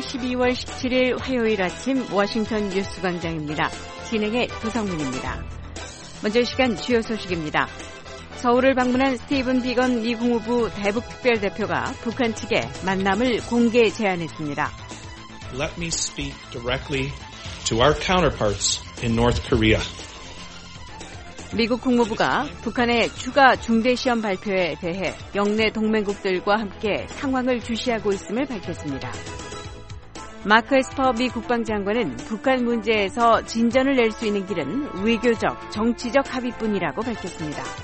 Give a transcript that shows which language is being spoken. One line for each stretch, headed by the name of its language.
Korean: 12월 17일 화요일 아침 워싱턴 뉴스 광장입니다. 진행의 조성민입니다. 먼저 시간 주요 소식입니다. 서울을 방문한 스티븐 비건 미 국무부 대북특별대표가 북한 측에 만남을 공개 제안했습니다.
English: Let me speak directly to our counterparts in North Korea.
Korean: 미국 국무부가 북한의 추가 중대시험 발표에 대해 영내 동맹국들과 함께 상황을 주시하고 있음을 밝혔습니다. 마크 에스퍼 미 국방장관은 북한 문제에서 진전을 낼 수 있는 길은 외교적, 정치적 합의뿐이라고 밝혔습니다.